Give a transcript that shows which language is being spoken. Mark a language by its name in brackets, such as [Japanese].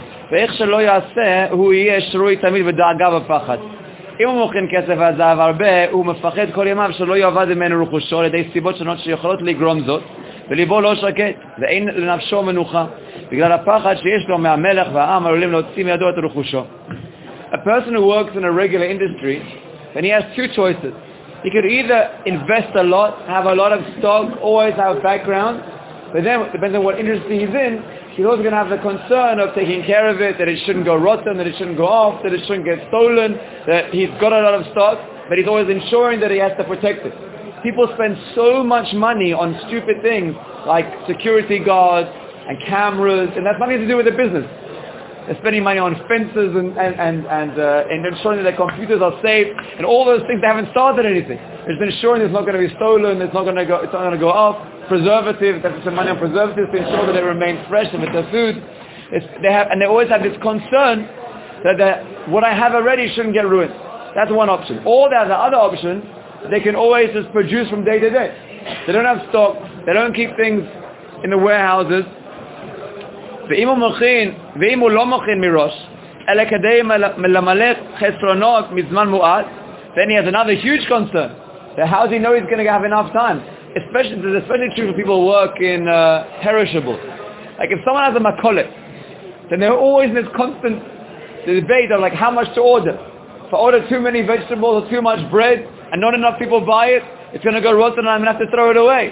[Hebrew] ואיך שלא יעשה, הוא יהיה שרוי תמיד בדאגה ופחד. אם הוא מוכין כסף וזהב הרבה, הוא מפחד כל ימיו שלא יאבד ממנו רכושו, על ידי סיבות שונות שיכולות לגרום זאת, וליבו לא שקט, ואין לנפשו מנוחה, בגלל הפחד שיש לו מהמלך והעם עלולים להוציא מידו את רכושו. [English] A person who works in a regular industry, and he has two choices. He could either invest a lot, have a lot of stock, always have a background, but then, depending on what industry he's in, he's also going to have the concern of taking care of it, that it shouldn't go rotten, that it shouldn't go off, that it shouldn't get stolen, that he's got a lot of stock, but he's always ensuring that he has to protect it. People spend so much money on stupid things, like security guards and cameras, and that's nothing to do with the business. They're spending money on fences and ensuring that their computers are safe and all those things. They haven't started anything. It's ensuring it's not going to be stolen, it's not going to go off. Preservatives, they have to spend money on preservatives to ensure that they remain fresh and with their food. They always have this concern that what I have already shouldn't get ruined. That's one option. Or they have the other option, they can always just produce from day to day. They don't have stock, they don't keep things in the warehouses. [Hebrew] ואם הוא מוכין, ואם הוא לא מוכין מראש, אלא כדי למלא חסרונות מזמן מועד, [English] then he has another huge concern. So how does he know he's going to have enough time? Especially, this is especially true for people who work in perishables. Like if someone has a makolet, then they're always in this constant debate of like how much to order. If I order too many vegetables or too much bread, and not enough people buy it, it's going to go rotten and I'm going to have to throw it away.